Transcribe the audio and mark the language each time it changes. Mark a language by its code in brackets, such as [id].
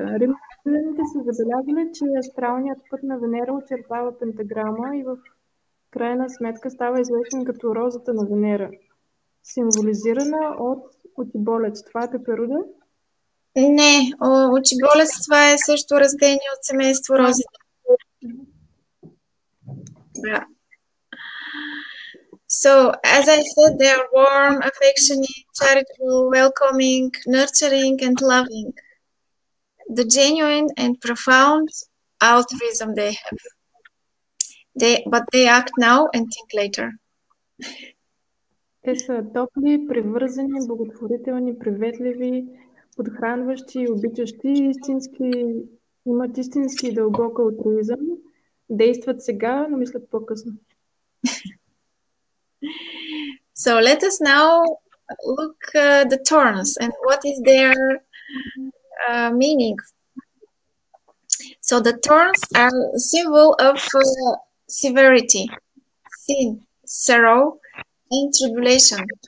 [bg] Римляните са забелязали, че астралният път на Венера очертава пентаграма и в крайна сметка става известен като розата на Венера. Символизирана от очиболец. Това е пеперуда? Не, очиболец това е също растение от семейство розите. Да. [en] So, as I said, they are warm, affectionate, charitable, welcoming, nurturing and loving. The genuine and profound altruism they have. But they act now and think later. [bg] Те са топли, привързани, благотворителни, приветливи, подхранващи и обичащи, истински, имат истински дълбок алтруизъм, действат сега, но мислят по-късно. [en] So let us now look at the thorns and what is their meaning. So the thorns are a symbol of severity, sin, sorrow, in tribulation.